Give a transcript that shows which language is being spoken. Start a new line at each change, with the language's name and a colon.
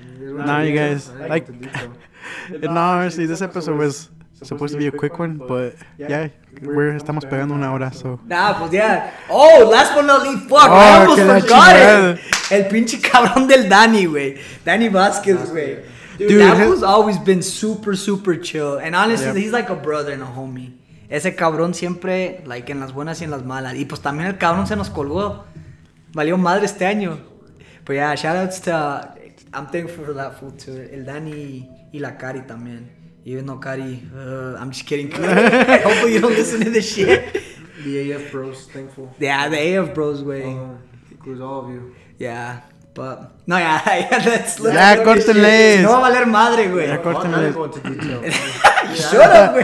English: Now you guys, like, and no, honestly, this episode was supposed to be a quick one, but yeah, we're
Spanish: estamos pegando una hora,
English: so. Nah, pues yeah. Oh, last but not least, fuck, oh, I almost forgot it.
Spanish: El pinche cabrón del Danny, güey.
English: Danny Vasquez, güey. Dude, that has always been super, super chill. And honestly, yep, he's like a brother and a homie.
Spanish: Ese cabrón siempre, like, en las buenas y en las malas. Y pues también el cabrón se nos colgó. Valió madre este año.
English: But yeah, shoutouts to... I'm thankful for that food too.
Spanish: El Danny y la Cari también.
English: Even though Cari... I'm just kidding. Hopefully you don't listen to this shit. The AF bros, thankful. Yeah, the AF bros, güey. Includes all of you. Yeah. But no, yeah, let's look. Yeah, corteles.
Spanish: No va a valer madre, güey.
English: Yeah, corteles. Shut up, güey.